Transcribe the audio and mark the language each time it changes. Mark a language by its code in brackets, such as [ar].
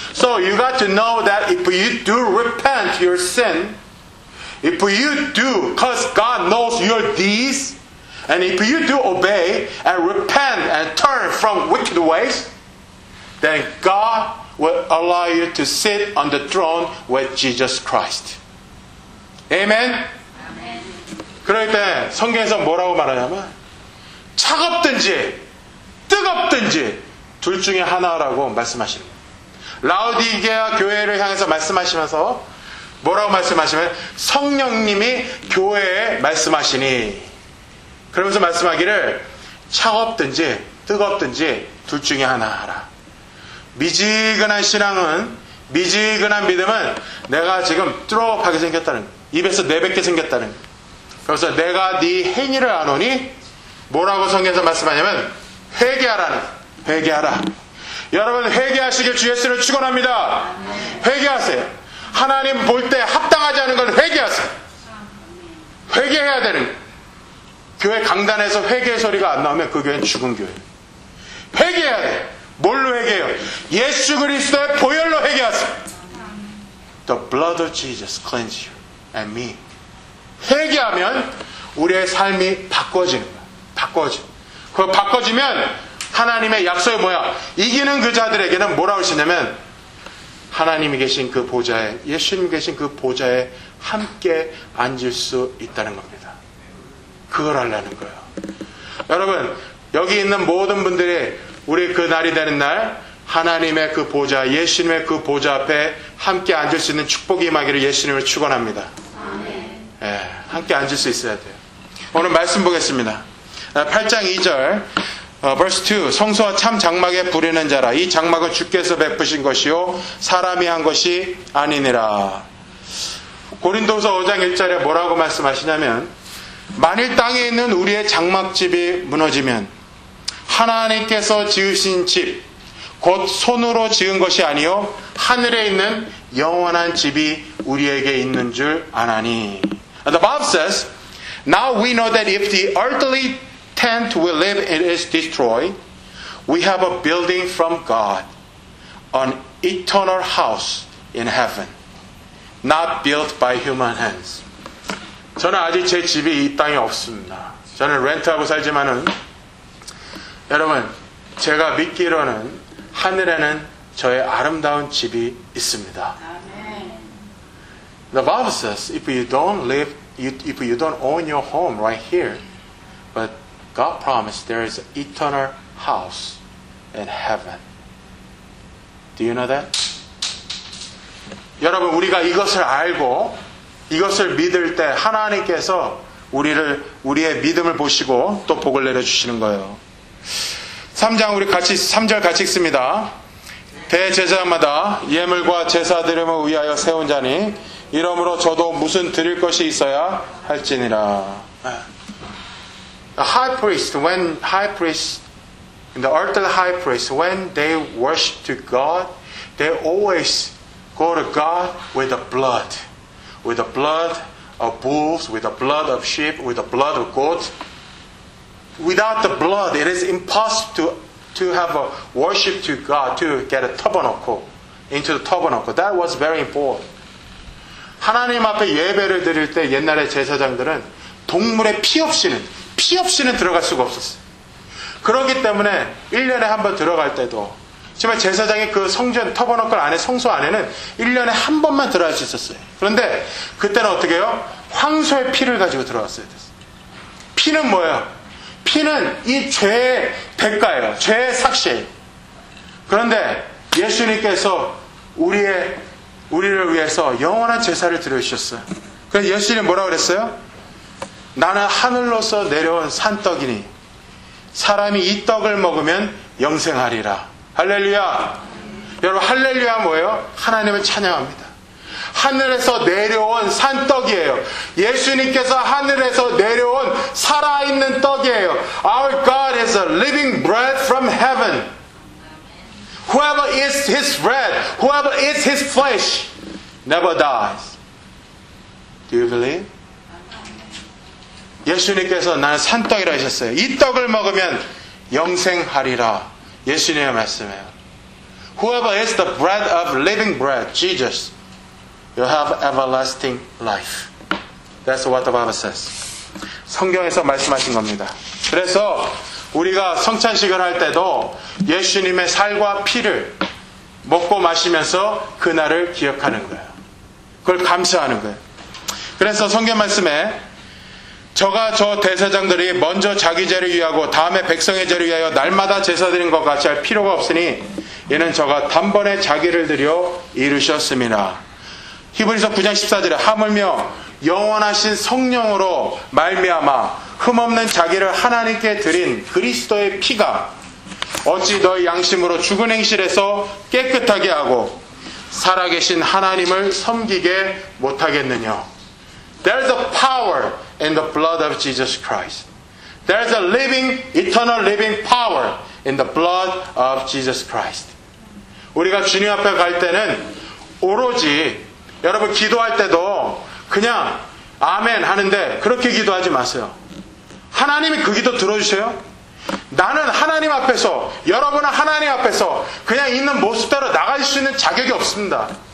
[en] So you got to know that if you do repent your sin, if you do, because God knows your deeds, and if you do obey and repent and turn from wicked ways, then God will allow you to sit on the throne with Jesus Christ. Amen? Amen. [ko] 그럴 때 성경에서 뭐라고 말하냐면 차갑든지 뜨겁든지 둘 중에 하나라고 말씀하십니다. 라오디게아 교회를 향해서 말씀하시면서 뭐라고 말씀하시면 성령님이 교회에 말씀하시니 그러면서 말씀하기를 차갑든지 뜨겁든지 둘 중에 하나라. 미지근한 신앙은 미지근한 믿음은 내가 지금 뚜렷하게 생겼다는 입에서 내뱉게 생겼다는 그래서 내가 네 행위를 안 오니 뭐라고 성경에서 말씀하냐면 회개하라는 회개하라. 여러분 회개하시길 주 예수를 축원합니다. 회개하세요. 하나님 볼 때 합당하지 않은 건 회개하세요. 회개해야 되는 교회 강단에서 회개의 소리가 안 나오면 그 교회는 죽은 교회. 회개해야 돼. 뭘로 회개해요? 예수 그리스도의 보혈로 회개하세요. [en] The blood of Jesus cleanse you and me. [ko] 회개하면 우리의 삶이 바꿔지는 거야. 바꿔져. 그 바꿔지면 하나님의 약속이 뭐야? 이기는 그 자들에게는 뭐라고 하시냐면 하나님이 계신 그 보좌에 예수님이 계신 그 보좌에 함께 앉을 수 있다는 겁니다. 그걸 하려는 거예요. 여러분 여기 있는 모든 분들이 우리 그 날이 되는 날 하나님의 그 보좌 예수님의 그 보좌 앞에 함께 앉을 수 있는 축복이 임하기를 예수님을 축원합니다. 예, 함께 앉을 수 있어야 돼요. 오늘 말씀 보겠습니다. 8장 2절 [en] verse 2 [ko] 성소와 참 장막에 부르는 자라 이 장막은 주께서 베푸신 것이요 사람이 한 것이 아니니라. 고린도서 5장 1절에 뭐라고 말씀하시냐면 만일 땅에 있는 우리의 장막집이 무너지면 하나님께서 지으신 집 곧 손으로 지은 것이 아니요 하늘에 있는 영원한 집이 우리에게 있는 줄 아나니. [en] And the Bible says now we know that if the earthly tent we live in is destroyed, we have a building from God, an eternal house in heaven, not built by human hands. [ko] 저는 아직 제 집이 이 땅에 없습니다. 저는 렌트하고 살지만은 여러분 제가 믿기로는 하늘에는 저의 아름다운 집이 있습니다. [en] The Bible says if you don't own your home right here, but God promised there is an eternal house in heaven. Do you know that? [ko] 여러분, 우리가 이것을 알고 이것을 믿을 때 하나님께서 우리를 우리의 믿음을 보시고 또 복을 내려주시는 거예요. 3장 우리 같이 3절 같이 읽습니다. 대제사장마다 예물과 제사 드림을 위하여 세운 자니 이러므로 저도 무슨 드릴 것이 있어야 할지니라. [en] The high priest, when high priest, in the earthly high priest, when they worship to God, they always go to God with the blood. With the blood of bulls, with the blood of sheep, with the blood of goats. Without the blood, it is impossible to have a worship to God, to get a tabernacle, into the tabernacle. That was very important. [ko] 하나님 앞에 예배를 드릴 때 옛날에 제사장들은 동물의 피 없이는 들어갈 수가 없었어요. 그렇기 때문에 1년에 한번 들어갈 때도 정말 제사장의 그 성전 터버너클 안에 성소 안에는 1년에 한 번만 들어갈 수 있었어요. 그런데 그때는 어떻게 해요? 황소의 피를 가지고 들어갔어야 됐어요. 피는 뭐예요? 피는 이 죄의 대가예요. 죄의 삭시예요. 그런데 예수님께서 우리를 위해서 영원한 제사를 드려주셨어요. 그래서 예수님 뭐라고 그랬어요? 나는 하늘로서 내려온 산떡이니 사람이 이 떡을 먹으면 영생하리라. 할렐루야. 여러분 할렐루야 뭐예요? 하나님을 찬양합니다. 하늘에서 내려온 산떡이에요. 예수님께서 하늘에서 내려온 살아있는 떡이에요. [en] Our God is a living bread from heaven. Whoever eats his bread, whoever eats his flesh, never dies. Do you believe? [ko] 예수님께서 나는 산떡이라 하셨어요. 이 떡을 먹으면 영생하리라. 예수님의 말씀이에요. [en] Whoever is the bread of living bread, Jesus, you have everlasting life. That's what the Bible says. [ko] 성경에서 말씀하신 겁니다. 그래서 우리가 성찬식을 할 때도 예수님의 살과 피를 먹고 마시면서 그날을 기억하는 거예요. 그걸 감사하는 거예요. 그래서 성경 말씀에 저가 저 대사장들이 먼저 자기 죄를 위하고 다음에 백성의 죄를 위하여 날마다 제사드린 것 같이 할 필요가 없으니 이는 저가 단번에 자기를 드려 이루셨습니다. 히브리서 9장 14절에 하물며 영원하신 성령으로 말미암아 흠없는 자기를 하나님께 드린 그리스도의 피가 어찌 너희 양심으로 죽은 행실에서 깨끗하게 하고 살아계신 하나님을 섬기게 못하겠느냐. [en] There is a power in the blood of Jesus Christ. There is a living, eternal living power in the blood of Jesus Christ. [ko] 우리가 주님 앞에 갈 때는 오로지 여러분 기도할 때도 그냥 아멘 하는데 그렇게 기도하지 마세요. 하나님이 그 기도 들어주세요. 나는 하나님 앞에서 여러분은 하나님 앞에서 그냥 있는 모습대로 나갈 수 있는 자격이 없습니다.